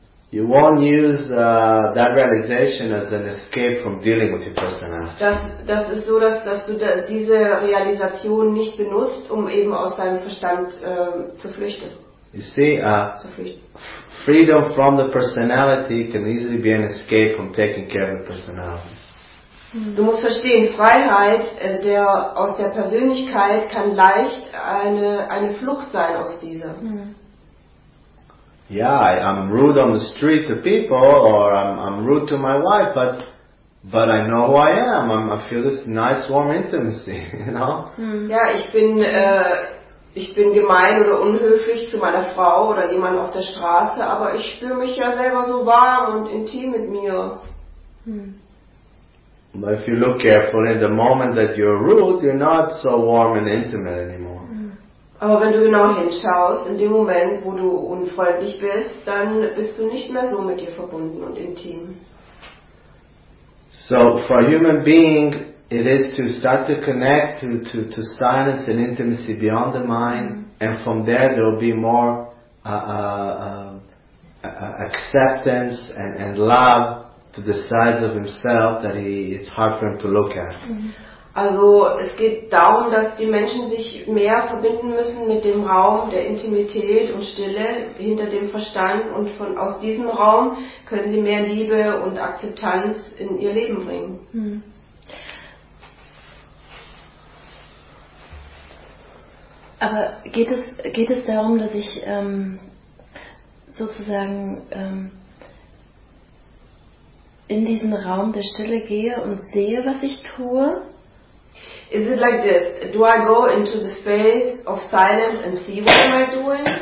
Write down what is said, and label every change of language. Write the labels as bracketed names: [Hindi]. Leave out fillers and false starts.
[English] You won't use that realization as an escape from dealing with your personality. [German] Das ist so, dass du diese Realisation nicht benutzt, um eben aus deinem Verstand zu flüchten. [English] You see, freedom from the personality can easily be an escape from taking care of the personality. [German] Du musst verstehen, Freiheit aus der Persönlichkeit kann leicht eine Flucht sein aus dieser. [English] Yeah, I'm rude on the street to people or I'm rude to my wife, but I know who I am. I feel this nice warm intimacy, you know? [German] Ja, ich bin gemein oder unhöflich zu meiner Frau oder jemand auf der Straße, aber ich spüre mich ja selber so warm und intim mit mir. [English] But if you look carefully, the moment that you're rude, you're not so warm and intimate anymore. [German] Aber wenn du genau hinschaust, in dem Moment, wo du unfreundlich bist, dann bist du nicht mehr so mit dir verbunden und intim. [English] So, for a human being, it is to start to connect to silence and intimacy beyond the mind, and from there there will be more acceptance and love. To the size of himself that it's hard for him to look at. [German] Also, es geht darum, dass die Menschen sich mehr verbinden müssen mit dem Raum der Intimität und Stille hinter dem Verstand und aus diesem Raum können sie mehr Liebe und Akzeptanz in ihr Leben bringen. Aber geht es darum, dass ich sozusagen in diesen Raum der Stille gehe und sehe, was ich tue? [English] Is it like this? Do I go into the space of silence and see what am I doing?